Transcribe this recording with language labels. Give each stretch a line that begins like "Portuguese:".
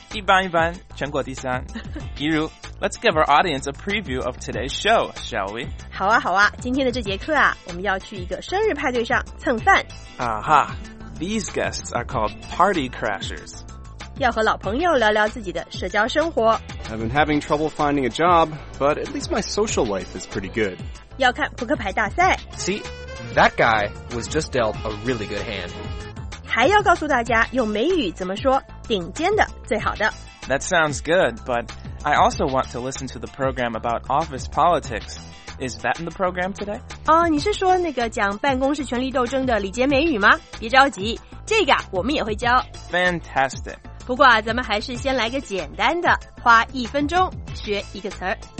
Chinese: 一般一般，全国第三。比如
English: Let's give our audience a preview of today's show, shall we?
Chinese: 好啊好啊，今天的这节课啊，我们要去一个生日派对上蹭饭。
English: 啊哈，these guests are called party crashers.
Chinese: 要和老朋友聊聊自己的社交生活。
English: I've been having trouble finding a job, but at least my social life is pretty good.
Chinese: 要看扑克牌大赛。
English: See, that guy was just dealt a really good hand.
Chinese: 还要告诉大家用美语怎么说顶尖的最好的。
English: That sounds good, but I also want to listen to the program about office politics. Is that in the program today?
Chinese: 哦，你是说那个讲办公室权力斗争的礼节美语吗？别着急，这个我们也会教。
English: Fantastic.
Chinese: 不过啊，咱们还是先来个简单的，花一分钟学一个词儿。